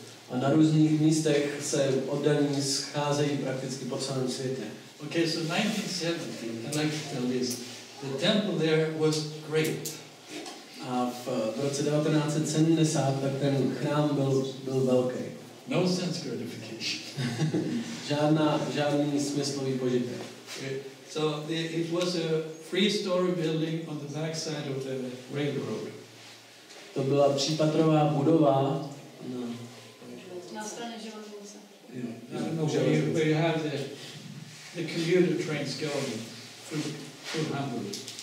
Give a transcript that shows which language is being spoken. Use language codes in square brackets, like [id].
[cs] A na různých místech se oddaní scházejí prakticky po celém světě. [en] Okay, so 1970, I'd like to tell this. The temple there was great. [cs] A v roce 1970 tak ten chrám byl velký. [en] No sense gratification. [cs] žádný smyslový požitek. [en] Okay. So it was a three-story building on the back side of the railroad. [cs] To byla třípatrová budova na straně železnice. Yeah. [en] No, where you have the commuter trains going through Hamburg.